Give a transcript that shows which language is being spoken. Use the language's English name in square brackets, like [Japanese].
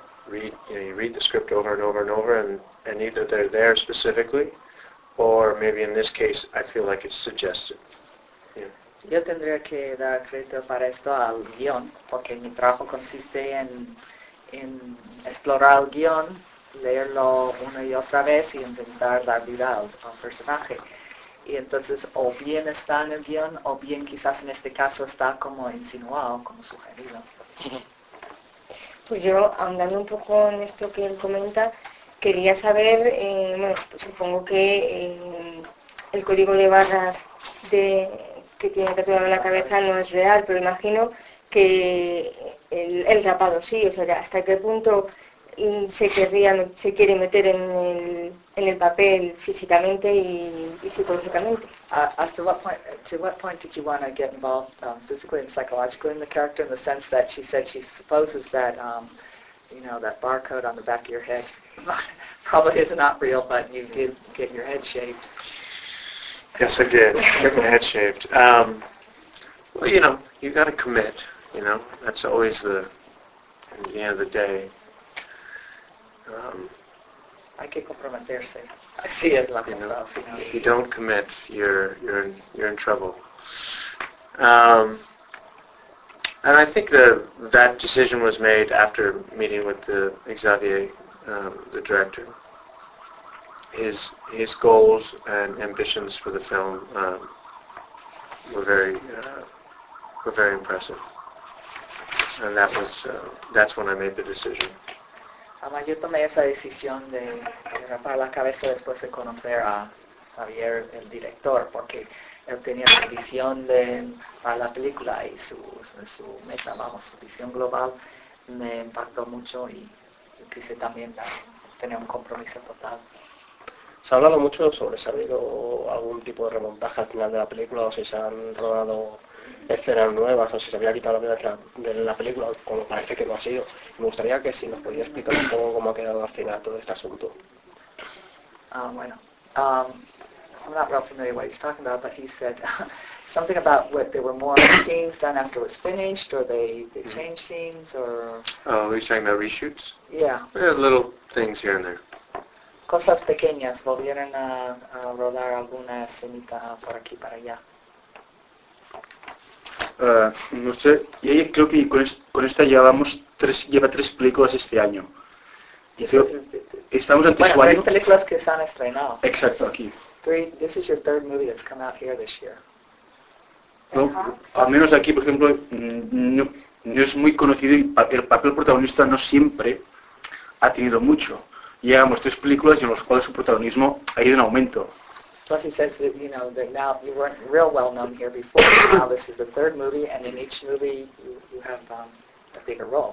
[English] You read the script over and over and over, and either they're there specifically, or maybe in this case, I feel like it's suggested. [Spanish] Yo tendría que dar crédito para esto al guión, porque mi trabajo consiste en explorar el guión, leerlo una y otra vez y intentar dar vida al personaje. Y entonces, o bien está en el guión, o bien quizás en este caso está como insinuado, como sugerido. Pues yo, ahondando un poco en esto que él comenta, quería saber, pues supongo que el código de barras de que tiene tatuado en la cabeza no es real, pero imagino que el rapado sí, o sea, hasta qué punto se quiere meter en el papel físicamente y psicológicamente. Hasta [English] what point did you want to get involved physically and psychologically in the character, in the sense that she said she supposes that that barcode on the back of your head probably is not real, but you did get your head shaved. Yes, I did. Get my head shaved. You got to commit, That's always the, at the end of the day. [Spanish] Hay que comprometerse. Así es la cosa. [English] If you don't commit, you're in trouble. And I think that decision was made after meeting with Xavier, the director. His goals and ambitions for the film were very impressive, and that was that's when I made the decision. [Spanish] Yo tomé esa decisión de rapar la cabeza después de conocer a Xavier, el director, porque él tenía su visión para la película y su meta, vamos, su visión global, me impactó mucho y quise también tener un compromiso total. ¿Se ha hablado mucho sobre si ha habido algún tipo de remontaje al final de la película o si se han rodado escenas nuevas o si se había quitado la vida de la película, como parece que no ha sido? Me gustaría que si nos podía explicar un poco cómo ha quedado al final todo este asunto. [English] I'm not real familiar with what he's talking about, but he said something about what there were more scenes done after it was finished, or they changed scenes, or... Oh, he's talking about reshoots? Yeah. Yeah, little things here and there. [Spanish] Cosas pequeñas, volvieron a rodar alguna escenita por aquí para allá. No sé, y ahí creo que con esta lleva tres películas este año. Y creo, estamos ante bueno, su año. Tres películas que se han estrenado. Exacto, aquí. [English] This is your third movie that's come out here this year. [Spanish] No, al menos aquí, por ejemplo, no es muy conocido y el papel protagonista no siempre ha tenido mucho. Llegamos tres películas y en las cuales su protagonismo ha ido en aumento. [English] Plus he says that, that now you weren't real well known here before, but now this is the third movie, and in each movie you have a bigger role.